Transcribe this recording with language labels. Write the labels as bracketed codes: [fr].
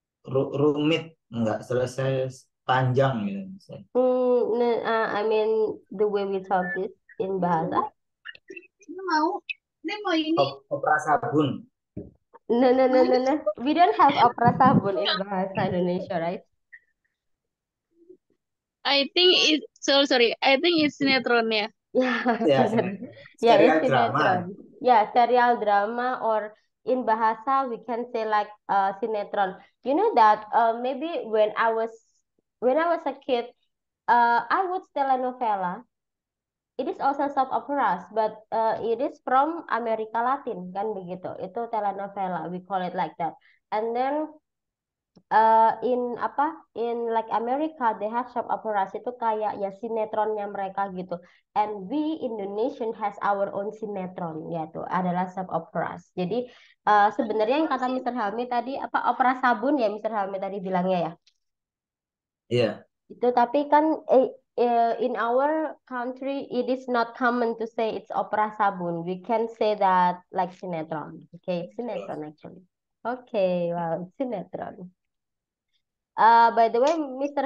[id] Rumit, nggak selesai, panjang gitu misalnya. [en] I mean the way we talk this in bahasa. [id] Ini mau ini. Opera sabun. [en] No, no, no, no, [id] ini. [en] no. We don't have opera sabun in bahasa Indonesia, right? I think it, so sorry. I think it's sinetron ya. Yeah, [id] Ya, [en] benar. Yeah, it's serial drama. sinetron. Yeah, serial drama or in bahasa we can say like sinetron. You know that maybe when I was a kid, I watch telenovela. It is also soap operas, but it is from America Latin, [id] kan begitu. Itu [en] telenovela, we call it like that. And then in [id] apa [en] in like America they have soap operas, [id] itu kayak ya sinetronnya mereka gitu. [en] And we Indonesian has our own sinetron, [id] yaitu adalah [en] soap operas. [id] Jadi sebenarnya yang kata Mr. Hami tadi apa opera sabun ya Mr. Hami tadi bilangnya ya. Iya. Itu tapi kan [en] in our country it is not common to say it's opera sabun. We can say that like sinetron. Okay, sinetron actually. Okay, well, sinetron. By the way, Mr.